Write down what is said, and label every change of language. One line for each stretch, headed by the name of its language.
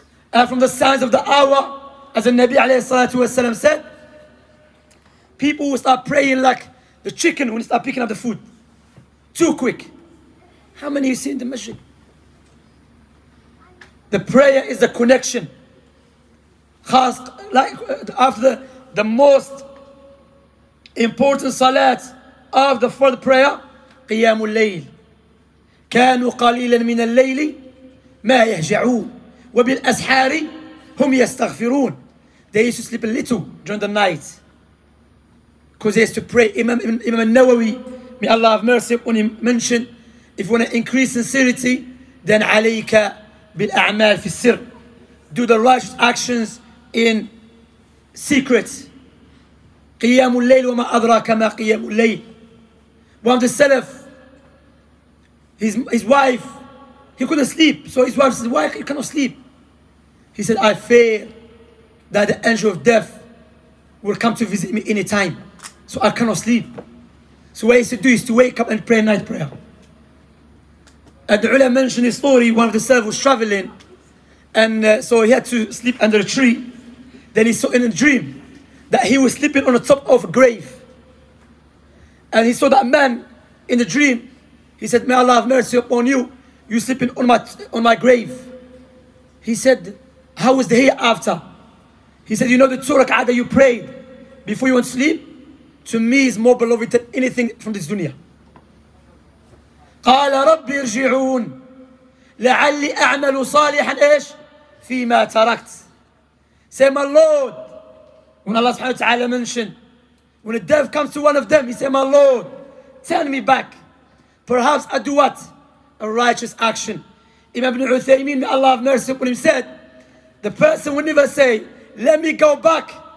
English: From the signs of the hour, as the Nabi alayhi salatu wasalam said, people will start praying like the chicken when they start picking up the food. Too quick. How many you see in the masjid? The prayer is the connection. After the most important salat of the fourth prayer,
Arabic: قيام الليل كانوا قليلا من الليل ما يهجعون وبالأسحار هم يستغفرون.
English: They used to sleep a little during the night because they used to pray. Imam al-Nawawi, may Allah have mercy upon him, mentioned, if you want to increase sincerity, then
Arabic: عليك بالأعمال في السر.
English: Do the righteous actions in secret.
Arabic: قيام الليل وما أدراك ما قيام الليل.
English: One of the Salaf, his wife, he couldn't sleep. So his wife says, why you cannot sleep? He said, I fear that the angel of death will come to visit me any time. So I cannot sleep. So what he used to do is to wake up and pray a night prayer. And the ulama mentioned his story, one of the Salaf was traveling. And so he had to sleep under a tree. Then he saw in a dream that he was sleeping on the top of a grave. And he saw that man in the dream. He said, may Allah have mercy upon you. You sleeping on my grave. He said, how was the hereafter? He said, you know the two rak'ah that you prayed before you went to sleep? To me is more beloved than anything from this dunya.
Arabic: قال ربي ارجعون لعلي أعمل صالحا إيش فيما تركت.
English: Say, my Lord, when Allah subhanahu wa ta'ala mentioned, when a dev comes to one of them, he said, my Lord, turn me back. Perhaps I do what? A righteous action. Imam Ibn Uthaymeen, may Allah have mercy upon him, said, the person will never say, let me go back.